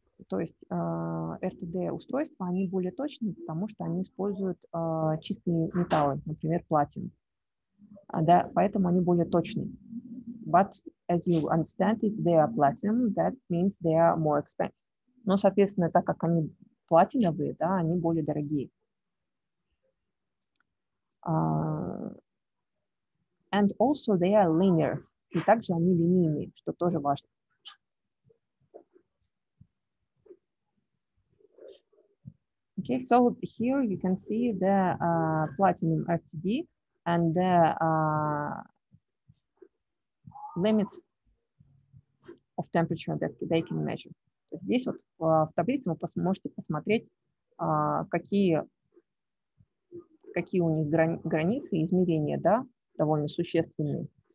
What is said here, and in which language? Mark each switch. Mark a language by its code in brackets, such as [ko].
[ru] То есть RTD устройства они более точны, потому что они используют чистые металлы, например, платину. Да, поэтому они более точные. But [en] as you understand, if they are platinum, that means they are more expensive. [ru] Но, соответственно, так как они платиновые, да, они более дорогие. [en] And also they are linear. [ru] И также они линейные, что тоже важно. [en] Okay, so here you can see the platinum RTD and the limits of temperature that they can measure. [ru] Здесь вот в таблице вы можете посмотреть, какие у них границы, измерения, да, довольно существенные.